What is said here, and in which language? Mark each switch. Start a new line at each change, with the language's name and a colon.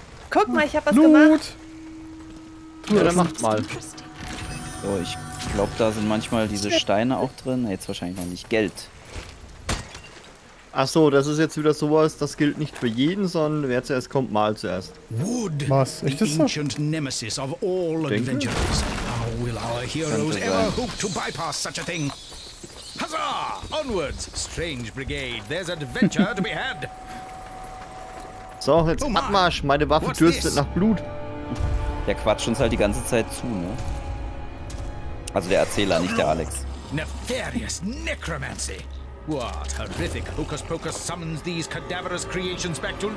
German: Guck mal, ich hab was gemacht. Du, ja, dann macht mal. So, ich glaube, da sind manchmal diese Steine auch drin. Jetzt wahrscheinlich noch nicht. Geld. Ach so, das ist jetzt wieder sowas, das gilt nicht für jeden, sondern wer zuerst kommt, mal zuerst.
English: Wood,
German: was? Echt das?
English: Ancient Nemesis of all Adventures. How will our heroes ever hope to bypass such a thing? Huzzah! Onwards, Strange Brigade, there's adventure to be had.
German: So, jetzt Abmarsch, meine Waffe dürstet nach Blut. Der quatscht uns halt die ganze Zeit zu, ne? Also der Erzähler, nicht der Alex.
English: Nefarious Necromancy. What horrific hocus pocus summons these cadaverous creations back to